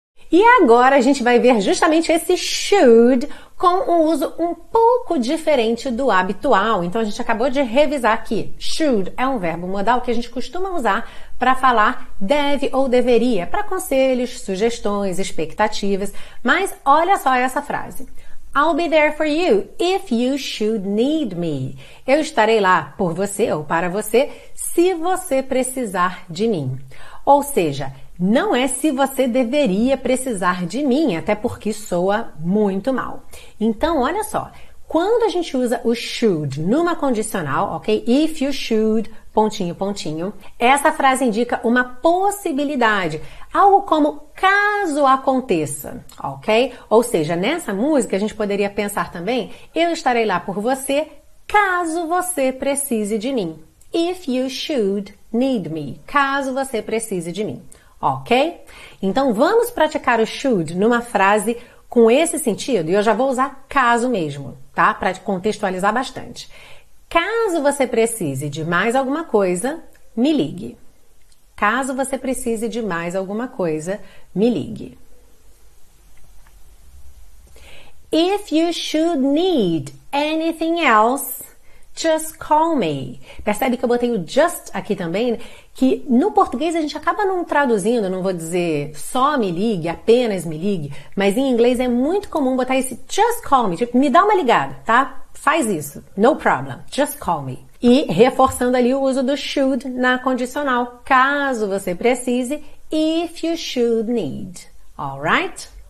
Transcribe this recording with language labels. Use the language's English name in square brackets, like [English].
[Portuguese] E agora a gente vai ver justamente esse should com um uso um pouco diferente do habitual. Então a gente acabou de revisar que should é um verbo modal que a gente costuma usar para falar deve ou deveria, para conselhos, sugestões, expectativas. Mas olha só essa frase. [English] I'll be there for you if you should need me. [Portuguese] Eu estarei lá por você ou para você se você precisar de mim. Ou seja, não é se você deveria precisar de mim, até porque soa muito mal. Então, olha só, quando a gente usa o should numa condicional, ok? [English] If you should, [Portuguese] pontinho, pontinho, essa frase indica uma possibilidade, algo como caso aconteça, ok? Ou seja, nessa música a gente poderia pensar também, eu estarei lá por você caso você precise de mim. [English] If you should need me, [Portuguese] caso você precise de mim. Ok? Então vamos praticar o should numa frase com esse sentido, e eu já vou usar caso mesmo, tá? Para contextualizar bastante. Caso você precise de mais alguma coisa, me ligue. Caso você precise de mais alguma coisa, me ligue. [English] If you should need anything else, just call me. [Portuguese] Percebe que eu botei o just aqui também, que no português a gente acaba não traduzindo, não vou dizer só me ligue, apenas me ligue, mas em inglês é muito comum botar esse [English] just call me, [Portuguese] tipo, me dá uma ligada, tá? Faz isso, [English] no problem, just call me. [Portuguese] E reforçando ali o uso do should na condicional, caso você precise, [English] if you should need, alright?